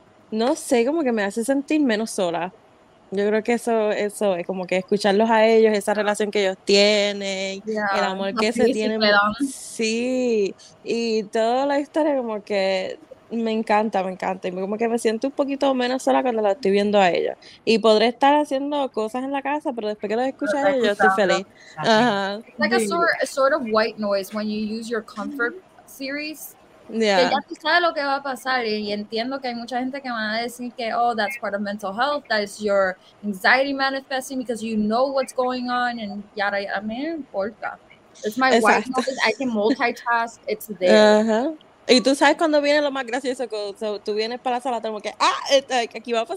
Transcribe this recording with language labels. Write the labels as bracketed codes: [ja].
[es] No sé, como que me hace sentir menos sola. Yo creo que eso es como que escucharlos a ellos, esa relación que ellos tienen, yeah, el amor que se tienen. Sí, y toda la historia como que me encanta. Y como que me siento un poquito menos sola cuando la estoy viendo a ellos. Y podré estar haciendo cosas en la casa, pero después que los escucho a ellos, estoy feliz. [en] Like a sort of white noise when you use your comfort series. Yeah. [es] Que ya tú sabes lo que va a pasar, y entiendo que hay mucha gente que van a decir que, oh, [en] that's part of mental health, that is your anxiety manifesting because you know what's going on, and yada, yada. [es] A mí no importa. [en] It's my white noise, I can multitask, it's there. [es] Y tú sabes cuando viene lo más gracioso, so, tú vienes para la sala, tenemos que, ah, aquí va a pasar.